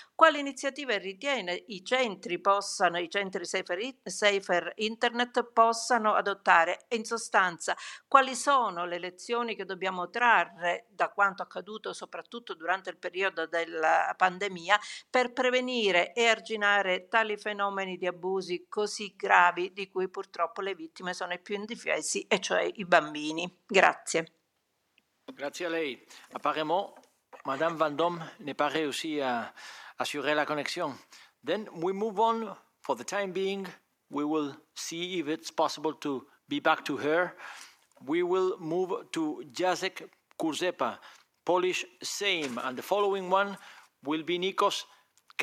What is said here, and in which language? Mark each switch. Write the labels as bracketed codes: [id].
[it] quali iniziative ritiene i centri Safer Internet possano adottare, e in sostanza quali sono le lezioni che dobbiamo trarre da quanto accaduto soprattutto durante il periodo della pandemia per prevenire e arginare tali fenomeni di abusi così gravi di cui purtroppo le vittime sono i più indifesi, e cioè i bambini. Grazie. Grazie a lei. [fr] Apparemment, Madame Vendôme n'est pas réussi à assurer la connexion. [en] Then we move on for the time being. We will see if it's possible to be back to her. We will move to Jacek Kurzepa, Polish Sejm, and the following one will be Nikos K.